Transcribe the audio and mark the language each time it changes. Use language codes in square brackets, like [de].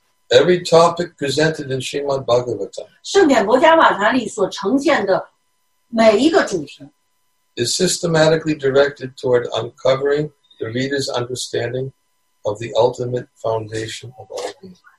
[en] Every topic presented in Srimad Bhagavatam [zh] 圣典博迦瓦坛里所呈现的每一个主题 [en] is systematically directed toward uncovering the reader's understanding of the ultimate foundation of all being.